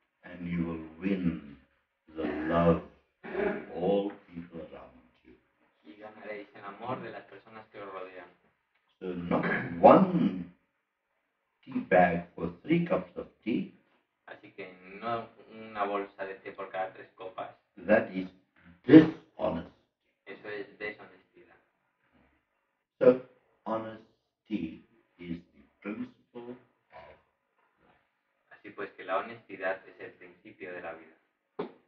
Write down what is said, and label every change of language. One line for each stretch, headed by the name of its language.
English: And you will win the love of all people around you.
Spanish: Y ganaréis el amor de las personas que os rodean.
English: So not one tea bag for three cups of tea.
Spanish: Así que no una bolsa de té por cada tres copas.
English: That is dishonest.
Spanish: Eso es deshonestidad.
English: So honesty is the principle of life.
Spanish: Así pues que la honestidad es el principio de la vida.